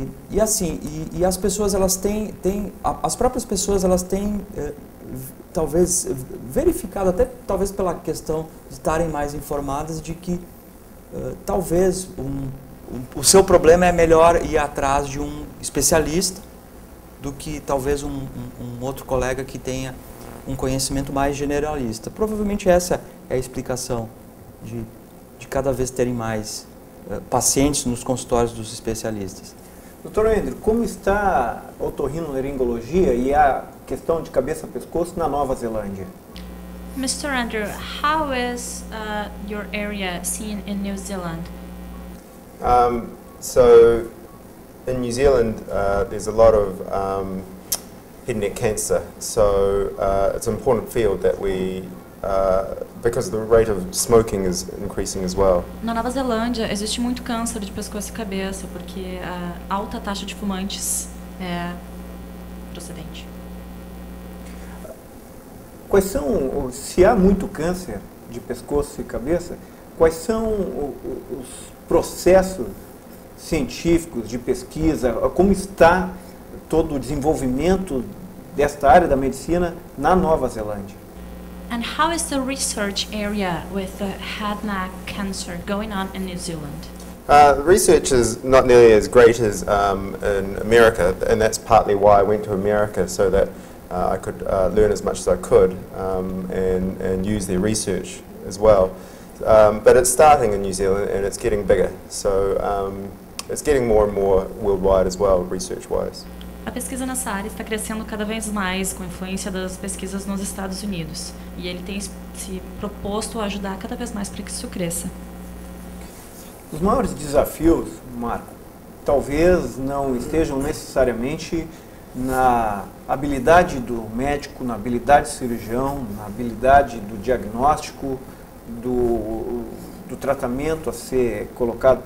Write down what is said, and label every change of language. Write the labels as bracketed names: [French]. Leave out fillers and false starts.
[Portuguese] E as pessoas, elas têm as próprias pessoas, elas têm talvez verificado, até talvez pela questão de estarem mais informadas, de que talvez o seu problema é melhor ir atrás de um especialista do que talvez um outro colega que tenha um conhecimento mais generalista. Provavelmente essa é a explicação de cada vez terem mais pacientes nos consultórios dos especialistas. Dr. Andrew, como está a otorrinolaringologia e a questão de cabeça-pescoço na Nova Zelândia? [English] Mr. Andrew, how is your area seen in New Zealand? So, in New Zealand, there's a lot of head and neck cancer. So, it's an important field that we... because the rate of smoking is increasing as well. [Portuguese] Na Nova Zelândia existe muito câncer de pescoço e cabeça porque a alta taxa de fumantes é procedente. Quais são, se há muito câncer de pescoço e cabeça, quais são os processos científicos de pesquisa, como está todo o desenvolvimento desta área da medicina na Nova Zelândia? [English] And how is the research area with the head neck cancer going on in New Zealand? Research is not nearly as great as in America, and that's partly why I went to America, so that I could learn as much as I could and use their research as well. But it's starting in New Zealand and it's getting bigger, so it's getting more and more worldwide as well, research-wise. [Portuguese] A pesquisa nessa área está crescendo cada vez mais com a influência das pesquisas nos Estados Unidos. E ele tem se proposto a ajudar cada vez mais para que isso cresça. Os maiores desafios, Marco, talvez não estejam necessariamente na habilidade do médico, na habilidade do cirurgião, na habilidade do diagnóstico, do tratamento a ser colocado.